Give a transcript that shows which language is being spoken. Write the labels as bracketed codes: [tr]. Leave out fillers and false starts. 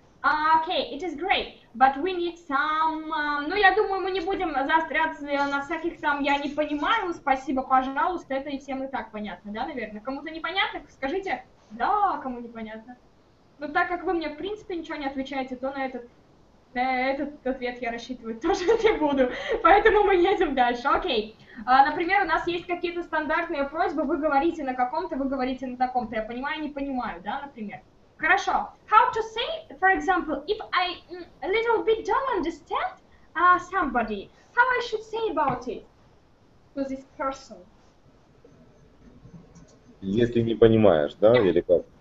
[en] Окей, it is great, but we need some... [ru] Ну, я думаю, мы не будем заостряться на всяких там «я не понимаю», «спасибо», «пожалуйста», это и всем и так понятно, да, наверное? Кому-то непонятно, скажите «да», кому непонятно. Но так как вы мне, в принципе, ничего не отвечаете, то на этот ответ я рассчитывать тоже не буду. Поэтому мы едем дальше, окей. Например, у нас есть какие-то стандартные просьбы, вы говорите на каком-то, вы говорите на таком-то, я понимаю, не понимаю, да, например. Хорошо. [en] How to say, for example, if I a little bit don't understand somebody, how I should say about it to this person? [ru] Если не понимаешь, да, или как?